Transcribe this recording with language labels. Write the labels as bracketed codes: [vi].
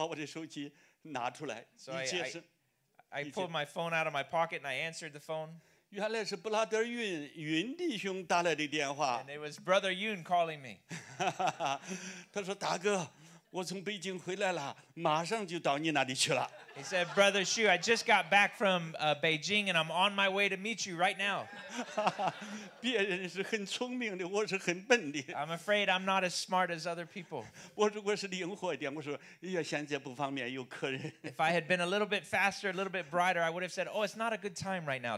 [zh] 我就从口袋里把我的手机拿出来，一接声。 [en] I pulled my phone out of my pocket and I answered the phone. [zh] 原来是布拉德云弟兄打来的电话。 [en] And it was Brother Yun calling me. [zh] 他说：“大哥，我从北京回来了，马上就到你那里去了。” [en] He said, "Brother Xu, I just got back from Beijing, and I'm on my way to meet you right now." [zh] 别人是很聪明的，我是很笨的。 [en] I'm afraid I'm not as smart as other people. [zh] 我如果是灵活一点，我说：“哎呀，现在不方便，有客人。” [en] If I had been a little bit faster, a little bit brighter, I would have said, "Oh, it's not a good time right now.